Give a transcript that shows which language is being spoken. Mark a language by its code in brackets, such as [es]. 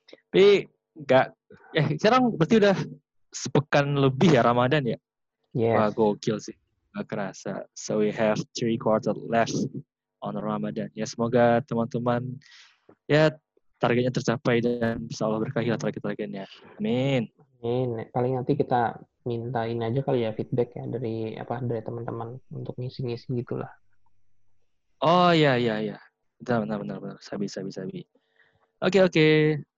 [id] Tapi, sekarang berarti udah sepekan lebih ya Ramadan ya? [en] Yes. [id] Wah, gokil sih. Gak kerasa. [en] So we have 3 quarters left on Ramadan. [id] Ya, semoga teman-teman ya targetnya tercapai dan bisa Allah berkahilah target-targetnya. Amin. Amin. Paling nanti kita mintain aja kali ya feedback ya dari teman-teman untuk ngisi-ngisi gitulah. Oh iya. Benar. Sabi. Okay.